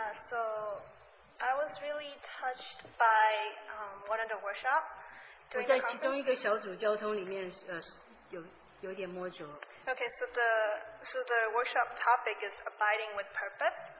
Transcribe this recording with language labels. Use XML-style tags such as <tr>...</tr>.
<en>So, I was really touched by one of the workshops.</en> <zh>我在其中一个小组交通里面有点摸着。</zh> <en>Okay, so the workshop topic is abiding with purpose.</en>